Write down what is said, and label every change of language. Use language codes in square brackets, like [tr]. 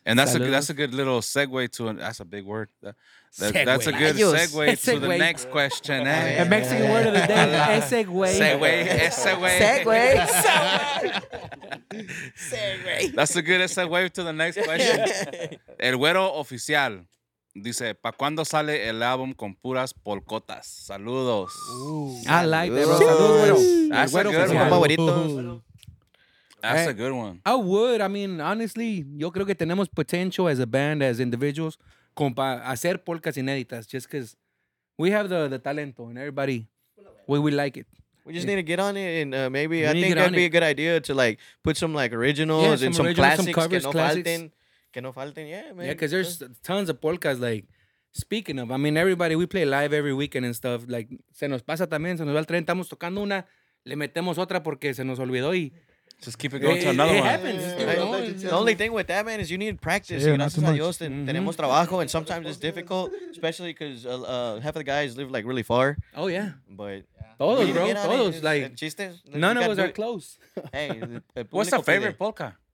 [en] And that's a good little segue to, that's a big word. That's a good segue to the next question. Eh? The Mexican word of the day. Segue. That's a good segue to the next question. [es] El güero oficial dice, ¿pa cuándo sale el álbum con puras polcotas? Saludos. [en] Ooh, I like that, bro. [es] Saludos, güero. [en] That's a good one. I would. I mean, honestly, [es] yo creo que tenemos [en] potential as a band, as individuals. [es] Compa, hacer polcas inéditas, [en] just because we have the talento and everybody, we like it. We just need to get on it, and maybe I think that'd be a good idea to like put some like originals and some classics. Some covers, [es] que no classics. Falten. Que no falten. [en] Yeah, man. Yeah, because there's tons of polkas. Like, speaking of, I mean, everybody, we play live every weekend and stuff. [es] Like, se nos pasa también, se nos va el tren. Estamos tocando una, le metemos otra porque se nos olvidó y. [en] Just keep it going to another it one. It happens. Yeah. The only thing with that, man, is you need practice. [es] Gracias a Dios, tenemos trabajo, [en] and sometimes it's difficult, especially because half of the guys live, like, really far. Oh, yeah. But [es] todos, [en] bro. [es] Todos. [en] Like, none of us are close. Hey, what's the favorite polka?